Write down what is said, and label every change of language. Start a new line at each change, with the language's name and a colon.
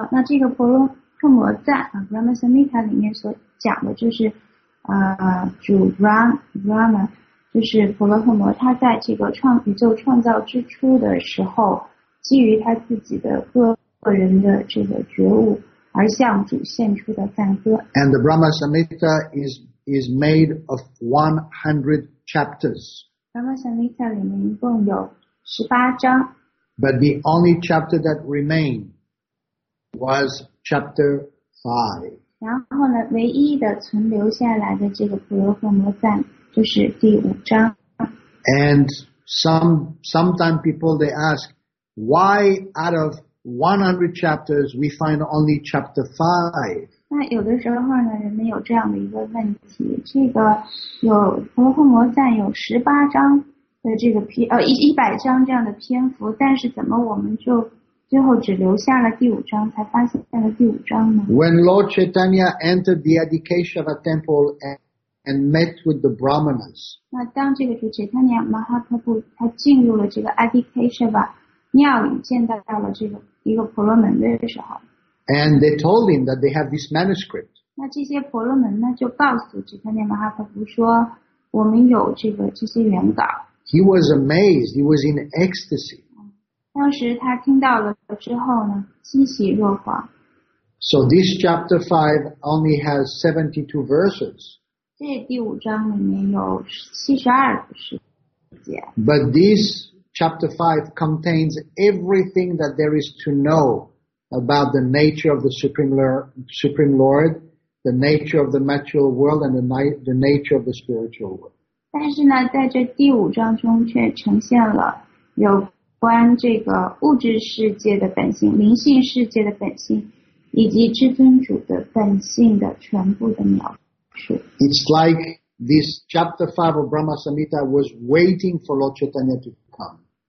Chinese: 那这个婆罗婆摩赞 Brahma Samhita 里面所讲的就是主 Brahma 就是婆罗婆摩他在这个宇宙创造之初的时候基于他自己的个人的这个觉悟而向主献出的赞歌
English: And the Brahma Samhita is made of 100 chapters
Chinese: Brahma Samhita 里面一共有18章
English: But the only chapter that remained was chapter 5
Chinese: 然后呢，唯一的存留下来的这个婆罗婆摩赞就是第五章。
English: And sometimes people they ask why out of 100 chapters we find only chapter 5.
Chinese: 那有的时候呢，人们有这样的一个问题，这个有婆罗婆摩赞有十八章的这个100章这样的篇幅，但是怎么我们就最后只留下了第五章，才发现了第五章呢。
English: When Lord Chaitanya entered the Adi Keshava temple and met with the Brahmanas，
Chinese: 那当这个主 Chaitanya Mahaprabhu 他进入了这个 Adi Keshava 庙里，见到了这个一个婆罗门的时候
English: ，and they told him that they have this manuscript。
Chinese: 那这些婆罗门呢，就告诉 Chaitanya Mahaprabhu 说，我们有这些原稿。
English: He was amazed. He was in ecstasy.
Chinese: 当时他听到了之后呢，欣喜若狂。
English: So this chapter 5 only has 72 verses.
Chinese: 这第五章里面有72个诗节。
English: But this chapter 5 contains everything that there is to know about the nature of the Supreme Lord, the nature of the material world, and the nature of the spiritual world.
Chinese: 但是呢，在这第五章中却呈现了有观这个物质世界的本性、灵性世界的本性，以及至尊主的本性的全部的描述。
English: It's like this chapter 5 of Brahma Samhita was waiting for Lord Chaitanya to come.